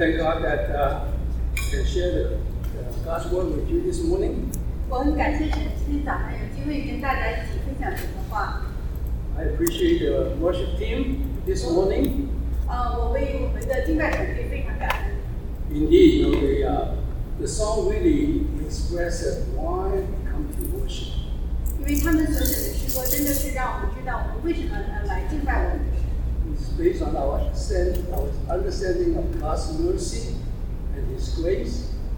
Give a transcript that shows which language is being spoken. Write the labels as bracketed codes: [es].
[en] Thank God that can share the God's word with you this morning. [zh] 我很感谢今天早上有机会跟大家一起分享神的话。 [en] I appreciate the worship team this morning. [zh] 我为我们的敬拜团队非常感恩。 [en] Indeed, you know, the song really expresses why we come to worship. [zh] 因为他们所写的诗歌真的是让我们知道我们为什么来敬拜我们。 [en] Based on our understanding of God's mercy and His grace.